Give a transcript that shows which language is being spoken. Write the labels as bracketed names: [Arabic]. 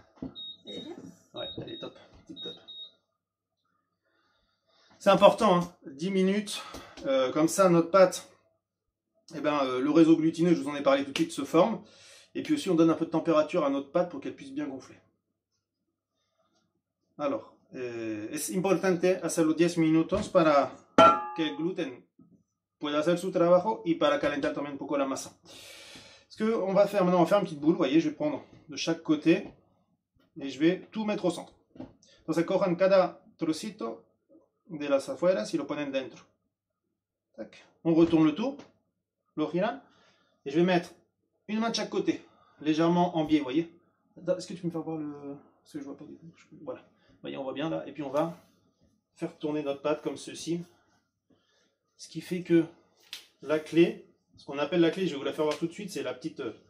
[French] Ouais, elle est top, tip top. C'est important, hein, 10 minutes, comme ça, notre pâte, eh ben, le réseau glutineux, je vous en ai parlé tout de suite, se forme. Et puis aussi, on donne un peu de température à notre pâte pour qu'elle puisse bien gonfler. Alors. [Spanish] Es importante hacerlo 10 minutos para que el gluten pueda hacer su trabajo y para calentar también un poco la masa. [French] Ce que on va faire maintenant, on va faire une petite boule, vous voyez, je vais prendre de chaque côté et je vais tout mettre au centre. [Spanish] Entonces cojan cada trocito de las afueras y lo ponen dentro. Tac. [French] On retourne le tout, [Spanish] lo giran, [French] et je vais mettre une main de chaque côté, légèrement en biais, vous voyez. Attends, est-ce que tu peux me faire voir le... Parce que je vois pas du tout. Voilà. Voyez, on voit bien là, et puis on va faire tourner notre pâte comme ceci. Ce qui fait que la clé, ce qu'on appelle la clé, je vais vous la faire voir tout de suite, c'est la petite.